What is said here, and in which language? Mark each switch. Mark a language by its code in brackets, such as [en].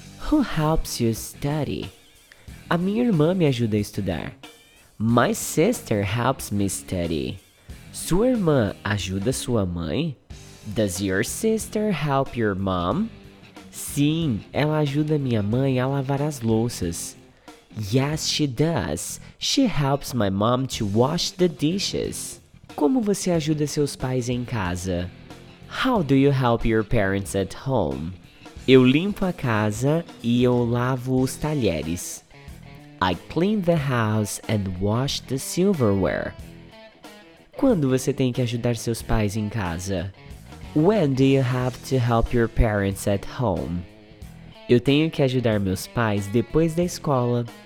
[en] Who helps you study? [pt] A minha irmã me ajuda a estudar. [en] My sister helps me study. [pt] Sua irmã ajuda sua mãe? [en] Does your sister help your mom? [pt] Sim, ela ajuda minha mãe a lavar as louças. [en] Yes, she does. She helps my mom to wash the dishes. [pt] Como você ajuda seus pais em casa? [en] How do you help your parents at home? [pt] Eu limpo a casa e eu lavo os talheres. [en] I clean the house and wash the silverware. [pt] Quando você tem que ajudar seus pais em casa? [en] When do you have to help your parents at home? [pt] Eu tenho que ajudar meus pais depois da escola.